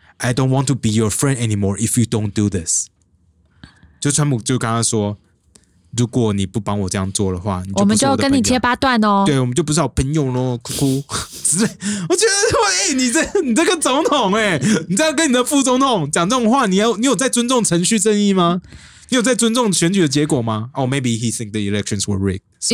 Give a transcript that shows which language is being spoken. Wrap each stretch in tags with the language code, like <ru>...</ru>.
<en>I don't want to be your friend anymore if you don't do this。”</en> <zh>就川普就跟他说。如果你不帮我这样做的话，我们就跟你切八段哦。对，我们就不是好朋友喽，哭哭。我觉得，喂、欸，你这个总统、欸，哎，你这样跟你的副总统讲这种话，你有在尊重程序正义吗？你有在尊重选举的结果吗？</zh> <en>哦、oh, ，maybe he think the elections were rigged.、So,</en>